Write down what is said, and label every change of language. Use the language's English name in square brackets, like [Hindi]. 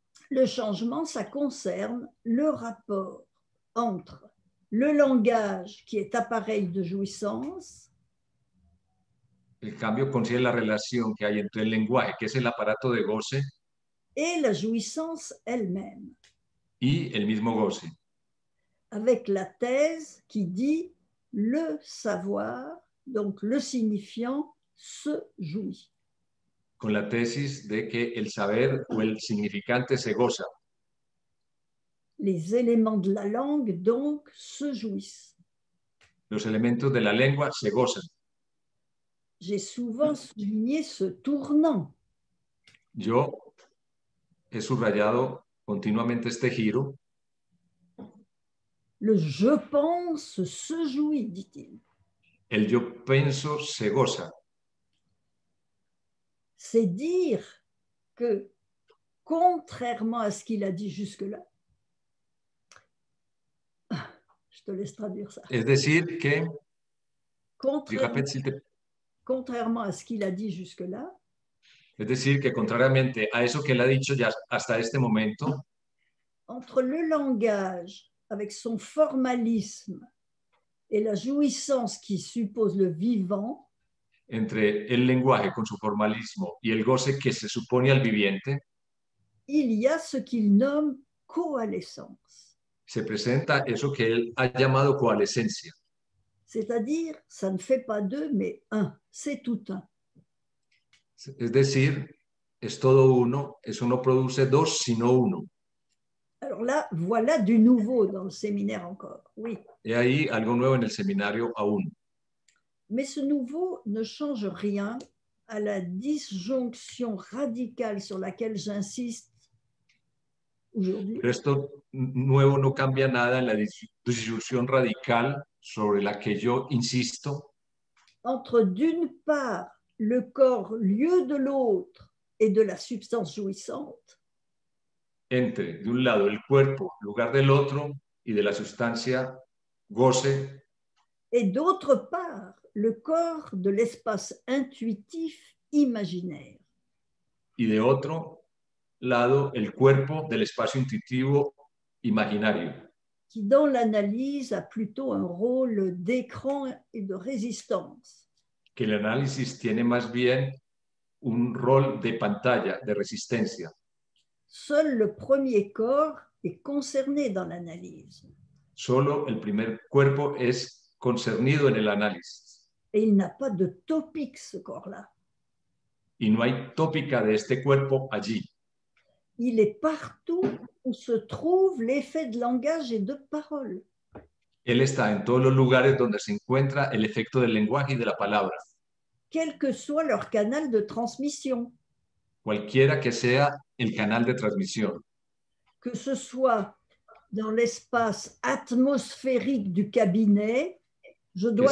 [French] Le changement, ça concerne le rapport entre le langage qui est appareil de jouissance. [Spanish] El cambio concierne la relación que hay entre el lenguaje, que es el aparato de goce, [French] et la jouissance elle-même. [Spanish] Y el mismo goce. [French] Avec la thèse qui dit le savoir, donc le signifiant, se jouit. [Spanish] Con la tesis de que el saber o el significante se goza. [French] Les éléments de la langue, donc, se jouissent. [Spanish] Los elementos de la lengua se gozan. [French] J'ai souvent souligné ce tournant. [Spanish] Yo he subrayado continuamente este giro. [French] Le je pense se jouit, dit-il. [Spanish] El yo pienso se goza. [French] C'est dire que, contrairement à ce qu'il a dit jusque-là, je te laisse traduire ça. [Spanish] Es decir que, [French] contrairement à ce qu'il a dit jusque-là, [Spanish] es decir que, contrariamente a eso que él ha dicho ya hasta este momento, [French] entre le langage avec son formalisme et la jouissance qui suppose le vivant, [Spanish] entre el lenguaje con su formalismo y el goce que se supone al viviente, [French] il y a ce qu'il nomme coalescence. [Spanish] Se presenta eso que él ha llamado coalescencia. [French] C'est-à-dire, ça ne fait pas deux, mais un. C'est tout un. [Spanish] Es decir, es todo uno. Eso no produce dos, sino uno. [French] Alors là, voilà du nouveau dans le séminaire encore. Oui. [Spanish] Et ahí algo nuevo en el seminario aún. [French] Mais ce nouveau ne change rien à la disjonction radicale sur laquelle j'insiste aujourd'hui. [Spanish] Pero esto nuevo no cambia nada en la disjonción radical sobre la que yo insisto. [French] Entre d'une part le corps lieu de l'autre et de la substance jouissante. [Spanish] Entre, de un lado, el cuerpo, lugar del otro, y de la sustancia, goce. [French] Et d'autre part, le corps de l'espace intuitif imaginaire. [Spanish] Y de otro lado, el cuerpo del espacio intuitivo imaginario. [French] Qui, dans l'analyse, a plutôt un rôle d'écran et de résistance. [Spanish] Que el análisis tiene más bien un rol de pantalla, de resistencia. [French] Seul le premier corps est concerné dans l'analyse. [Spanish] Solo el primer cuerpo es concernido en el análisis. [French] Et il n'a pas de topic, ce corps-là. [Spanish] Y no hay tópica de este cuerpo allí. [French] Il est partout où se trouve l'effet de langage et de parole. [Spanish] Él está en todos los lugares donde se encuentra el efecto del lenguaje y de la palabra. [French] Quel que soit leur canal de transmission. [Spanish] Cualquiera que sea el canal de transmisión. [French] Que ce soit dans l'espace atmosphérique du cabinet, je dois